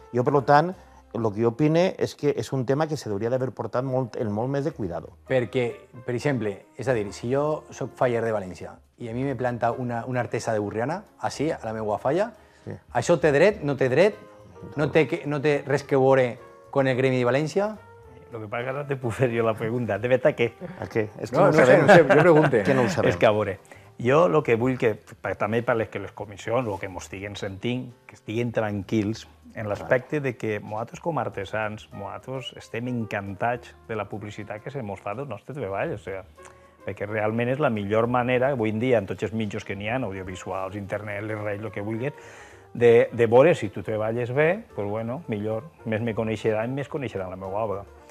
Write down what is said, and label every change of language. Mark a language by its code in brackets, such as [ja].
[ca] Jo, per tant, el que jo opine és que és un tema que s'hauria d'haver portat molt, el molt més de cuidado. Perquè, per exemple, és a dir, si jo sóc faller de València i a mi me planta una artesa de Burriana, així, a la meua falla, sí. Això té dret, no té dret? No té res que veure con el Gremi de València? [es] Lo que pasa es que ahora te puse yo la pregunta. ¿De verdad qué? ¿A qué? Es que no sé, no sé, yo pregunte. Que no lo sabemos. [ca] Es que, a veure, jo el que vull que, també per les que les comissions o que ens estiguen sentint, que estiguin tranquils en l'aspecte de que nosaltres com a artesans, nosaltres estem encantats de la publicitat que se'ns fa del nostre treball, o sigui, perquè realment és la millor manera, avui en dia, en tots els mitjans que n'hi ha, audiovisuals, internet, les reis, el que vulguis, de veure si tu treballes bé, pues bueno, millor, més me coneixeran, més coneixeran la meva obra.